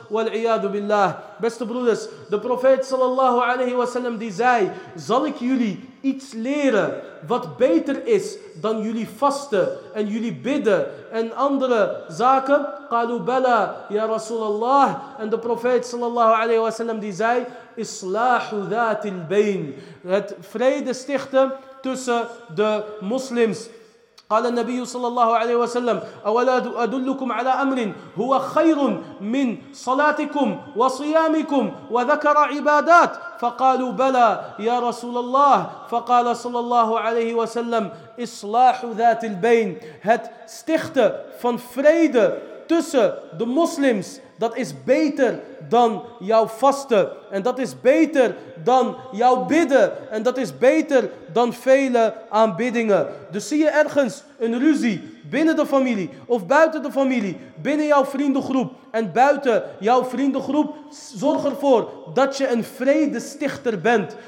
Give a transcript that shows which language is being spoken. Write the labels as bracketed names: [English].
[Dutch] Wal-iyadu billah. Beste broeders, de profeet sallallahu alayhi wa sallam die zei, zal ik jullie iets leren wat beter is dan jullie vasten en jullie bidden en andere zaken? [Arabic] Qalu bala ya Rasulallah. [Dutch] En de profeet sallallahu alayhi wa sallam die zei, [Arabic] islahu dhatil bayn. [Dutch] Het vrede stichten tussen de moslims. [Arabic] قال النبي صلى الله عليه وسلم أولا أدلكم على أمر هو خير من صلاتكم وصيامكم وذكر عبادات فقالوا بلى يا رسول الله فقال صلى الله عليه وسلم إصلاح ذات البين. [Dutch] Het stichten van vrede tussen de moslims, dat is beter dan jouw vasten. En dat is beter dan jouw bidden. En dat is beter dan vele aanbiddingen. Dus zie je ergens een ruzie binnen de familie of buiten de familie, binnen jouw vriendengroep en buiten jouw vriendengroep, zorg ervoor dat je een vredestichter bent.